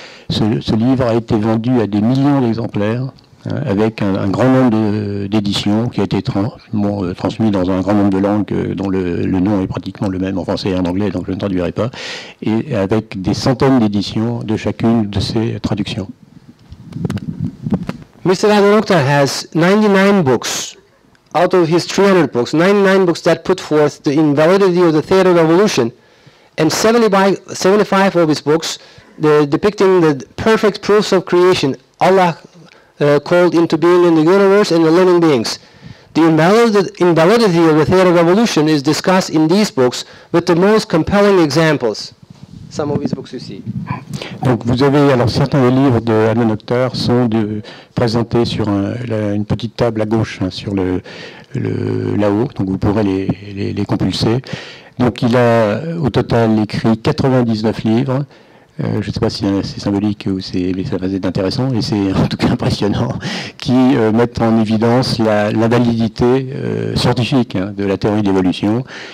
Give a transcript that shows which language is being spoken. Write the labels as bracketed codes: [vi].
[fr] Ce livre a été vendu à des millions d'exemplaires, hein, avec un grand nombre d'éditions qui a été transmis dans un grand nombre de langues dont le nom est pratiquement le même en français et en anglais, donc je ne traduirai pas, et avec des centaines d'éditions de chacune de ces traductions. [en] Mr. Adnan Oktar has 99 books, out of his 300 books, 99 books that put forth the invalidity of the theory of evolution, and 75 of his books depicting the perfect proofs of creation, Allah called into being in the universe and the living beings. The invalidity of the theory of evolution is discussed in these books with the most compelling examples. Some of his books you see. [fr] Donc vous avez, alors certains des livres de Adnan Oktar sont présentés sur une petite table à gauche, hein, sur le là-haut, donc vous pourrez les compulser. Donc il a au total écrit 99 livres. Je ne sais pas si c'est symbolique ou mais ça va être intéressant, et c'est en tout cas impressionnant, qui mettent en évidence la validité scientifique, hein, de la théorie d'évolution.